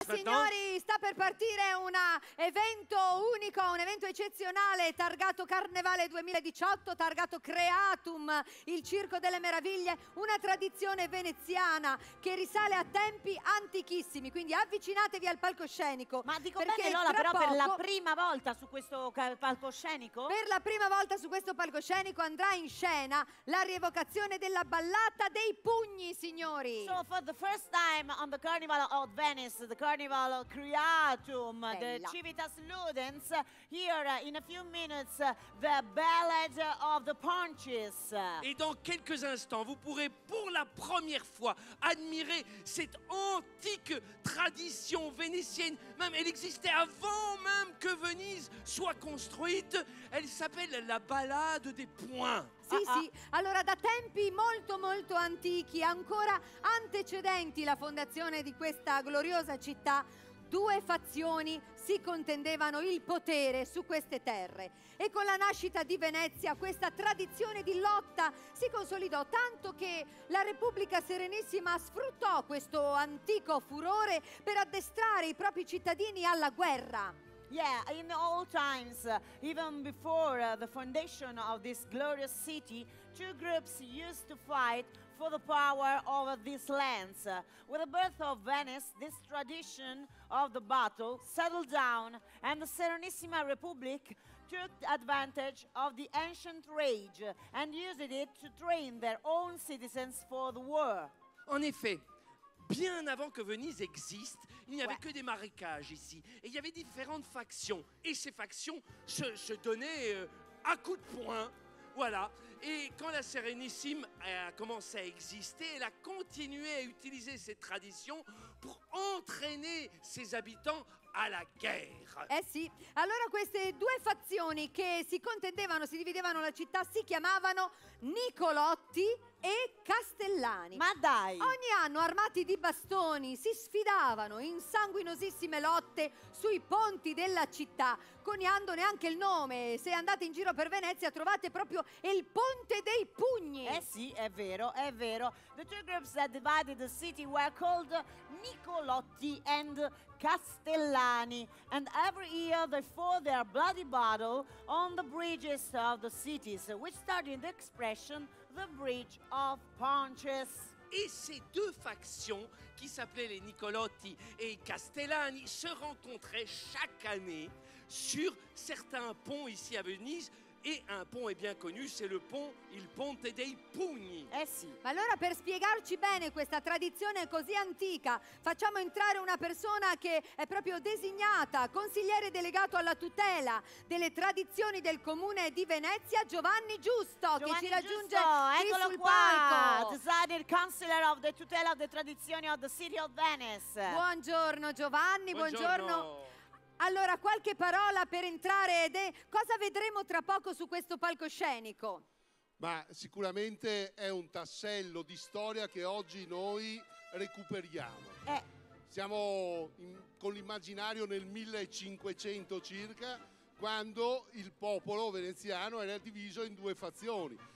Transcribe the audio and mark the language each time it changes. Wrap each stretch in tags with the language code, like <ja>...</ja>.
<it>signori, sta per partire un evento unico, un evento eccezionale, targato Carnevale 2018, targato Creatum, il Circo delle Meraviglie, una tradizione veneziana che risale a tempi antichissimi, quindi avvicinatevi al palcoscenico. Ma dico bene, Lola, però poco, per la prima volta su questo palcoscenico? Per la prima volta su questo palcoscenico andrà in scena la rievocazione della ballata dei pugni, signori.</it> <en>So for the first time on the Carnival of Venice, the Carnival Creatum, bella, the Civitas Ludens, here in a few minutes the Ballad of the Punches.</en> <fr>Et dans quelques instants, vous pourrez pour la première fois admirer cette antique tradition vénitienne. Même elle existait avant même que Venise soit construite. Elle s'appelle la Ballade des Points.</fr> <it>Sì, sì, allora da tempi molto molto antichi, ancora antecedenti la fondazione di questa gloriosa città, due fazioni si contendevano il potere su queste terre, e con la nascita di Venezia questa tradizione di lotta si consolidò, tanto che la Repubblica Serenissima sfruttò questo antico furore per addestrare i propri cittadini alla guerra.</it> <en>Yeah, in all times, even before the foundation of this glorious city, two groups used to fight for the power over these lands. With the birth of Venice, this tradition of the battle settled down, and the Serenissima Republic took advantage of the ancient rage and used it to train their own citizens for the war.</en> <fr>En effet, bien avant que Venise existe, il n'y avait que des marécages ici. Et il y avait différentes factions. Et ces factions se donnaient à coups de poing. Voilà. Et quand la Sérénissime a commencé à exister, elle a continué à utiliser cette tradition pour entraîner ses habitants alla guerra.</fr> <it>Eh sì, allora queste due fazioni che si contendevano, si dividevano la città, si chiamavano Nicolotti e Castellani. Ma dai! Ogni anno, armati di bastoni, si sfidavano in sanguinosissime lotte sui ponti della città, coniandone anche il nome. Se andate in giro per Venezia trovate proprio il Ponte dei Pugni. Eh sì, è vero, è vero.</it> <en>The two groups that divided the city were called Nicolotti and Castellani, and every year they fought their bloody battle on the bridges of the cities, which started the expression the Bridge of Punches.</en> <fr>Et ces deux factions, qui s'appelaient les Nicolotti et Castellani, se rencontraient chaque année sur certains ponts ici à Venise. Et un pont est bien connu, c'est le pont, il Ponte dei Pugni.</fr> <it>Eh sì. Ma allora, per spiegarci bene questa tradizione così antica, facciamo entrare una persona che è proprio designata consigliere delegato alla tutela delle tradizioni del comune di Venezia, Giovanni Giusto, Giovanni che ci Giusto, raggiunge qui sul qua, palco.</it> <en>Designer Counselor of the Tutela of the Traditions of the City of Venice.</en> <it>Buongiorno Giovanni, buongiorno. Buongiorno. Allora, qualche parola per entrare, ed è cosa vedremo tra poco su questo palcoscenico? Ma sicuramente è un tassello di storia che oggi noi recuperiamo. Siamo con l'immaginario nel 1500 circa, quando il popolo veneziano era diviso in due fazioni.</it>